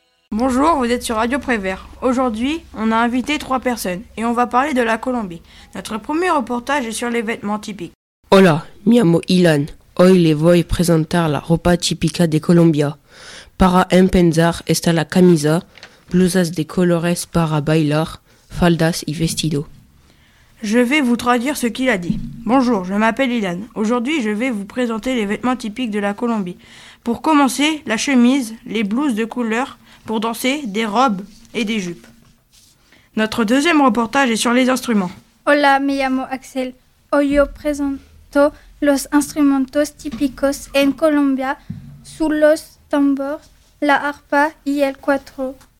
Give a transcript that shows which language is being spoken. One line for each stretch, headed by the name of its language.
French: Bonjour, vous êtes sur Radio Prévert. Aujourd'hui, on a invité trois personnes et on va parler de la Colombie. Notre premier reportage est sur les vêtements typiques.
Spanish: Hola, mi amo Ilan. Hoy les voy presentar la ropa típica de Colombia. Para empezar está la camisa, blusas de colores para bailar, faldas y vestido.
French: Je vais vous traduire ce qu'il a dit. Bonjour, je m'appelle Ilan. Aujourd'hui, je vais vous présenter les vêtements typiques de la Colombie. Pour commencer, la chemise, les blouses de couleur, pour danser, des robes et des jupes. Notre deuxième reportage est sur les instruments.
Spanish: Hola, me llamo Axel. Hoy yo presento los instrumentos típicos en Colombia, sous los tambores, la arpa y el cuatro.